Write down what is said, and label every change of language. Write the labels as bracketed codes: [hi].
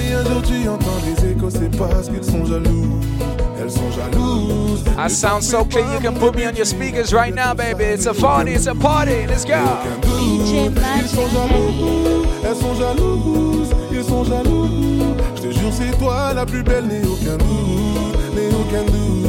[fr] Mais un jour tu entends les échos, c'est parce qu'ils sont jaloux. Elles sont jalouses. [en] I sound so clear, you can put me on your speakers right now, baby. It's a party, let's go. [fr] Ils sont jaloux, elles sont jalouses, ils sont jaloux. Je te jure c'est toi la plus belle, n'ai aucun doute, n'ai aucun doute.